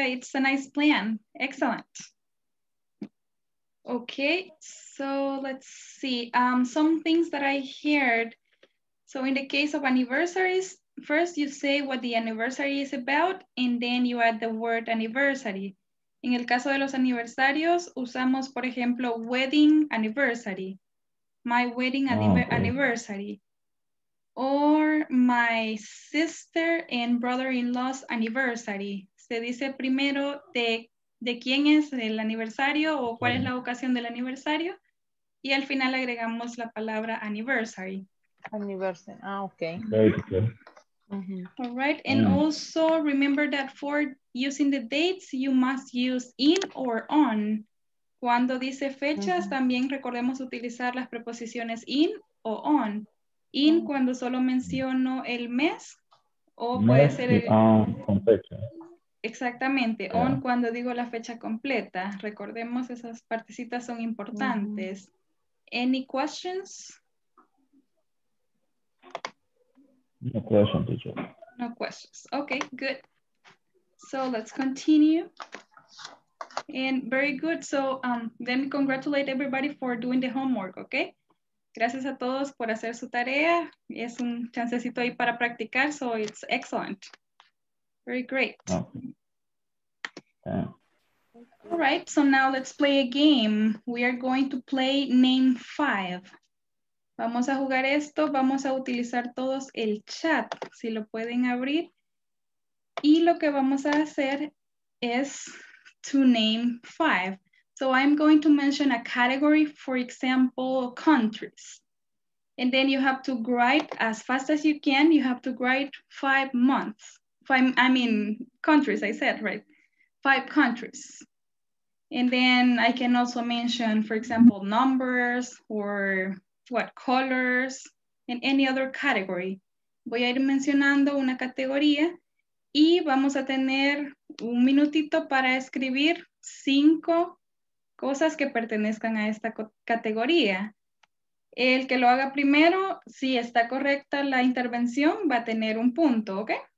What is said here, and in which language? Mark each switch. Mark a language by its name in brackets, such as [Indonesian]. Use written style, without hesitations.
[English] It's a nice plan. Excellent. Okay, so let's see. Some things that I heard So in the case of anniversaries, first you say what the anniversary is about and then you add the word anniversary. [Spanish] En el caso de los aniversarios, usamos, por ejemplo, wedding anniversary. [English] My wedding anniversary. Or my sister and brother-in-law's anniversary. [Spanish] Se dice primero de quién es el aniversario o cuál es la ocasión del aniversario. Y al final agregamos la palabra anniversary. [English] Anniversary. Ah, okay. Very good. All right. And also remember that for using the dates, you must use in or on. [Spanish] Cuando dice fechas, también recordemos utilizar las preposiciones in o on. In cuando solo menciono el mes o puede mes ser el... con fecha. Exactamente. Yeah. On cuando digo la fecha completa. Recordemos esas partecitas son importantes. [English] Any questions? No question, teacher. No questions. Okay, good. So let's continue. And very good. So let me congratulate everybody for doing the homework, okay? [Spanish] Gracias a todos por hacer su tarea. Es un chancecito ahí para practicar, [English] so it's excellent. Very great. Okay. All right, so now let's play a game. We are going to play Name 5. [Spanish] Vamos a jugar esto, vamos a utilizar todos el chat, si lo pueden abrir. Y lo que vamos a hacer es [English] to name 5. So I'm going to mention a category, for example, countries. And then you have to write as fast as you can, you have to write 5 months. Five countries. And then I can also mention, for example, numbers or what colors and any other category. [Spanish] Voy a ir mencionando una categoría y vamos a tener un minutito para escribir 5 cosas que pertenezcan a esta categoría. El que lo haga primero, si está correcta la intervención, va a tener un punto, ¿ok?